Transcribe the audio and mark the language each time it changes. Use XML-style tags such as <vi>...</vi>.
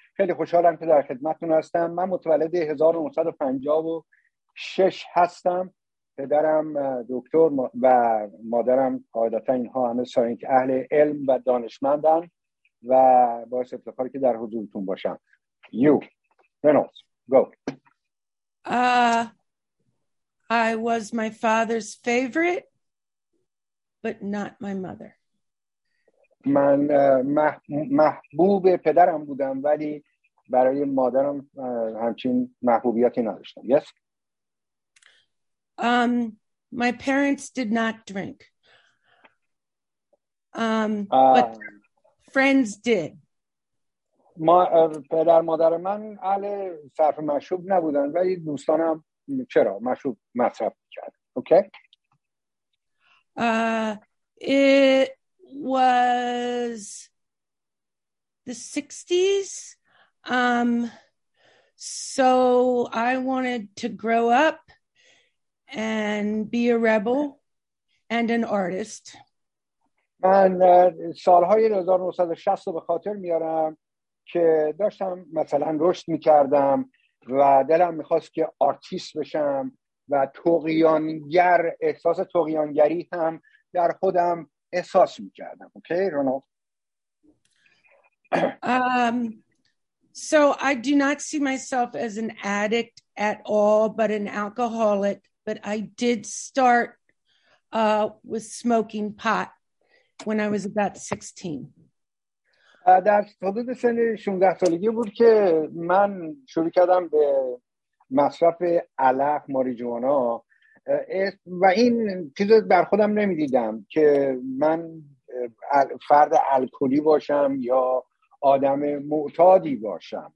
<fa>خیلی خوشحالم که در خدمتتون هستم. من متولد 1956 هستم. پدرم دکتر و مادرم قاعدتا اینها همه سارینگ اهل علم و دانشمندن و باعث افتخاری که در حضورتون باشم.</fa> <en>You Reynolds, go. I was my father's favorite but not my mother.</en> <fa>من محبوب پدرم بودم ولی برای مادرم همچین محبوبیتی نداشتم.</fa> <en>Yes. My parents did not drink. But friends did.</en> <fa>پدر مادر من اهل صرف مشروب نبودن ولی دوستانم چرا مشروب مصرف کرد.</fa> <en>Okay. It was the 60s. So I wanted to grow up and be a rebel and an artist.</en> <fa>من سالهای 1960 رو به خاطر میارم که داشتم مثلا رشد میکردم و دلم میخواست که آرتیست بشم و طغیانگر، احساس طغیانگری هم در خودم احساس میکردم.</fa> <en>Okay Ronald? So I do not see myself as an addict at all but an alcoholic. But I did start with smoking pot when I was about 16.</en> <fa>در حدود سن 16 سالگی بود که من شروع کردم به مصرف علف، ماریجوانا، و این چیز رو بر خودم نمیدیدم که من فرد الکلی باشم یا آدم معتادی باشم.</fa>